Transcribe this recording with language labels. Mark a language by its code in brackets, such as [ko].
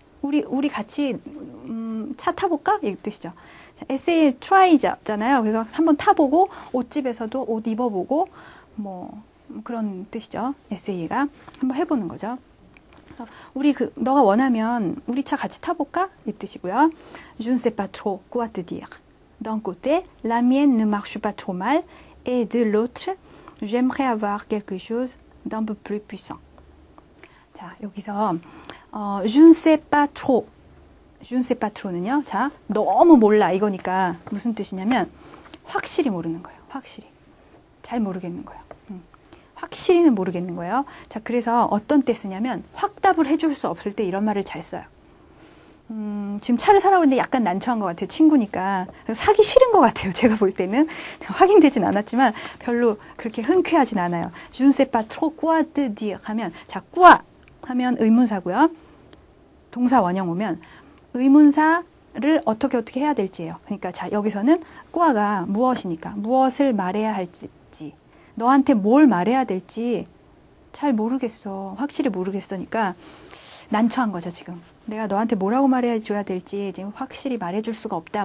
[ko] 우리 같이 차 타볼까? 이 뜻이죠. 에세이 트라이잖아요. 그래서 한번 타보고 옷집에서도 옷 입어보고 뭐 그런 뜻이죠. 에세이가 한번 해보는 거죠. 그래서 우리 그 너가 원하면 우리 차 같이 타볼까? 이 뜻이고요. [fr] Je ne sais pas trop quoi te dire. D'un côté, la mienne ne marche pas trop mal, et de l'autre, j'aimerais avoir quelque chose d'un peu plus puissant. [ko] 자 여기서 [fr] Je ne sais pas trop. [ko] Je ne sais pas trop는요. 자, 너무 몰라 이거니까 무슨 뜻이냐면 확실히 모르는 거예요. 확실히. 잘 모르겠는 거예요. 확실히는 모르겠는 거예요. 자, 그래서 어떤 때 쓰냐면 확답을 해줄 수 없을 때 이런 말을 잘 써요. 지금 차를 사러 오는데 약간 난처한 것 같아요. 친구니까. 사기 싫은 것 같아요. 제가 볼 때는. 확인되진 않았지만 별로 그렇게 흔쾌하진 않아요. [fr] Je ne sais pas trop quoi te dire [ko] 하면 자, quoi 하면 의문사고요. 동사 원형 오면 의문사를 어떻게 해야 될지예요. 그러니까 자 여기서는 과가 무엇이니까 무엇을 말해야 할지 너한테 뭘 말해야 될지 잘 모르겠어. 확실히 모르겠으니까 난처한 거죠 지금. 내가 너한테 뭐라고 말해줘야 될지 지금 확실히 말해줄 수가 없다.